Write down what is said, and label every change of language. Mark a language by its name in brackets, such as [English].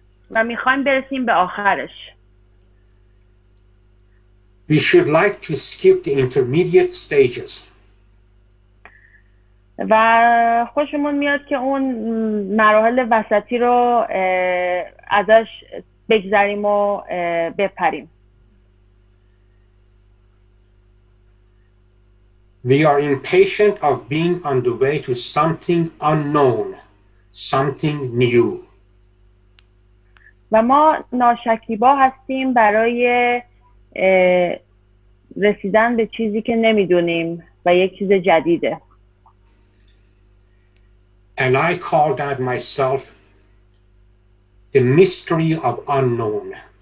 [Persian] ما میخوایم برسیم به آخرش. [English] We should like to skip the intermediate stages. [Persian] و خوشمون میاد که اون مراحل وسطی رو ازش بگذاریم و بپریم. [English] We are impatient of being on the way to something unknown, something new. [Persian] و ما ناشکیبا هستیم برای رسیدن به چیزی که نمیدونیم و یک چیز جدیده. [English] And I call that myself the mystery of unknown.